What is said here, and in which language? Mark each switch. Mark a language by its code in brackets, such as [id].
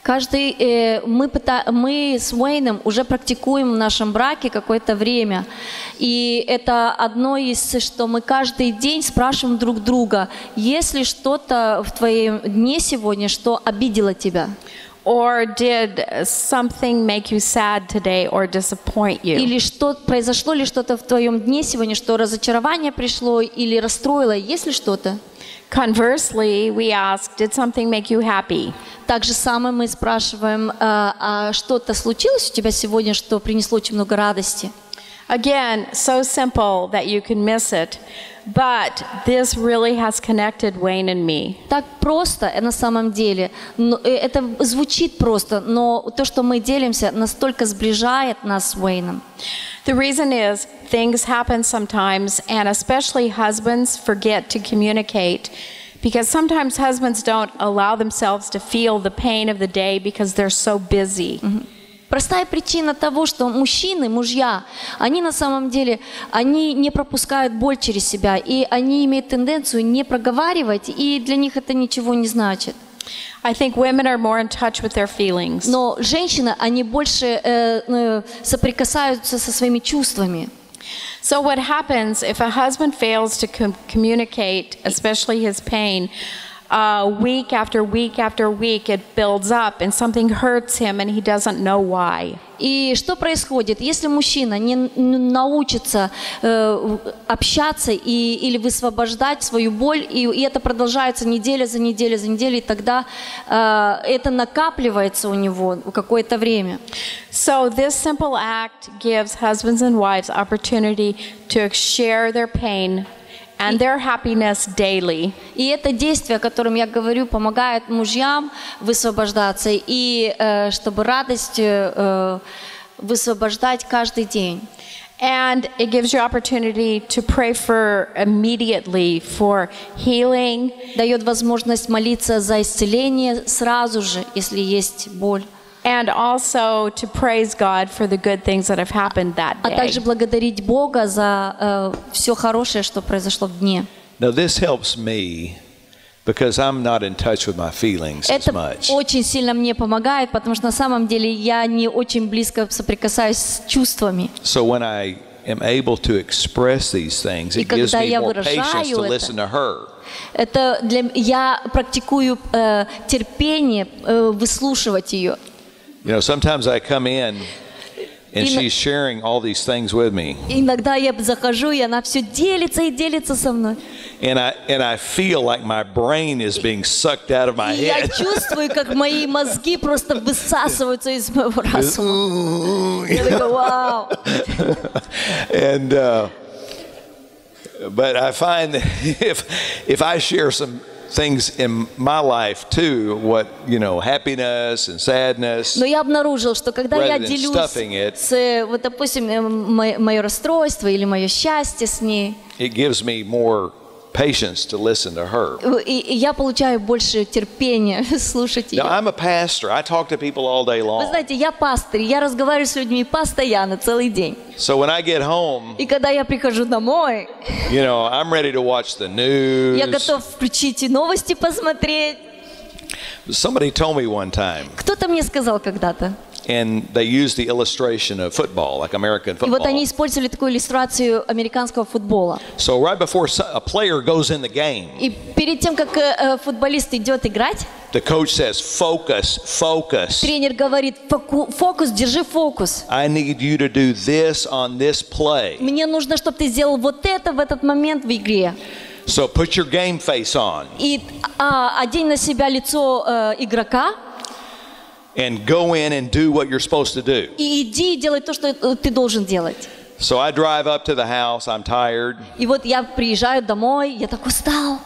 [ru] Мы с Уэйном уже практикуем в нашем браке какое-то время, и это одно из, что мы каждый день спрашиваем друг друга, есть ли что-то в твоем дне сегодня, что обидело тебя? [en] Or did something make you sad today or disappoint you? [ru] Или что произошло ли что-то в твоём дне сегодня, что разочарование пришло или расстроило, есть ли что-то? [en] Conversely, we ask, did something make you happy? [ru] Так же самое мы спрашиваем, а что-то случилось у тебя сегодня, что принесло очень много радости? [en] Again, so simple that you can miss it. But this really has connected Wayne and me. [ru] Так просто, на самом деле. Это звучит просто, но то, что мы делимся, настолько сближает нас с Уэйном. [en] The reason is things happen sometimes, and especially husbands forget to communicate. Because sometimes husbands don't allow themselves to feel the pain of the day because they're so busy. [ru] Простая причина того, что мужчины, мужья, они на самом деле, они не пропускают боль через себя, и они имеют тенденцию не проговаривать, и для них это ничего не значит. [en] I think women are more in touch with their feelings. [ru] Но женщины, они больше соприкасаются со своими чувствами. [en] So what happens if a husband fails to communicate, especially his pain, week after week after week, it builds up and something hurts him and he doesn't know why. [ru] И что происходит, если мужчина не научится общаться и или высвобождать свою боль, и это продолжается неделя за неделей, за неделей, тогда это накапливается у него какое-то время. [en] So this simple act gives husbands and wives opportunity to share their pain and their happiness daily. [ru] И это действие, о котором я говорю, помогает мужьям высвобождаться и чтобы радость высвобождать каждый день. [en] And it gives you opportunity to pray for immediately for healing. [ru] Даёт возможность молиться за исцеление сразу же, если есть боль. [en] And also to praise God for the good things that have happened that day. [ru] А также благодарить Бога за всё хорошее, что произошло в дне. [en] Now this helps me because I'm not in touch with my feelings as much. [ru] Это очень сильно мне помогает, потому что на самом деле я не очень близко соприкасаюсь с чувствами. [en] So when I am able to express these things, it gives me more patience to listen to her. [ru] Это для я практикую терпение выслушивать её. [en] You know, sometimes I come in and she's sharing all these things with me. [ru] Иногда я захожу, и она всё делится и делится со мной. [en] And I feel like my brain is being sucked out of my head. [ru] Я чувствую, как мои мозги просто высасываются из моего разума. [en] Wow. And but I find that if I share some things in my life too, what, you know, happiness and sadness. [ru] Но я обнаружил, что когда я делюсь с вот, допустим, моё расстройство или моё счастье с ней, [en] it gives me more patience to listen to her. [ru] И я получаю больше терпения слушать её. [en] Now, I'm a pastor. I talk to people all day long. [ru] Вы знаете, я пастор, я разговариваю с людьми постоянно целый день. [en] So when I get home, [ru] и когда я прихожу домой, [en] you know, I'm ready to watch the news. [ru] Я готов включить новости посмотреть. [en] Somebody told me one time. [ru] Кто-то мне сказал когда-то. [en] And they used the illustration of football, like American football. [ru] И вот они использовали такую иллюстрацию американского футбола. [en] So right before a player goes in the game. [ru] И перед тем как футболист идёт играть, [en] the coach says, "Focus, focus." [ru] Тренер говорит: "Фокус, держи фокус." [en] I need you to do this on this play. [ru] Мне нужно, чтобы ты сделал вот это в этот момент в игре. [en] So put your game face on. [ru] И одень на себя лицо игрока. [en] And go in and do what you're supposed to do. [ru] И иди делай то, что ты должен делать. [en] So I drive up to the house. I'm tired. [ru] И вот я приезжаю домой, я так устал.